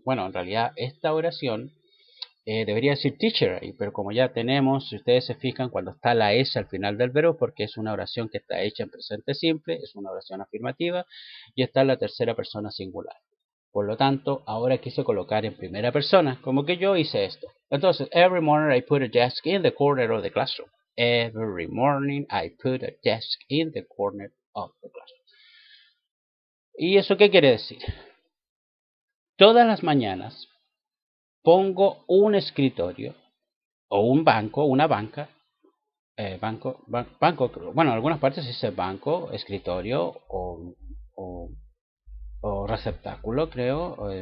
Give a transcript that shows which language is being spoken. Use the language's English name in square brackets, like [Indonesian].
[Spanish] Bueno, en realidad esta oración debería decir teacher ahí, pero como ya tenemos, si ustedes se fijan, cuando está la S al final del verbo, porque es una oración que está hecha en presente simple, es una oración afirmativa, y está en la tercera persona singular. Por lo tanto, ahora quise colocar en primera persona, como que yo hice esto. [English] Entonces, every morning I put a desk in the corner of the classroom. Every morning I put a desk in the corner of the classroom. [Spanish] ¿Y eso qué quiere decir? Todas las mañanas pongo un escritorio o un banco, una banca, banco, bueno, en algunas partes dice banco, escritorio o receptáculo, creo.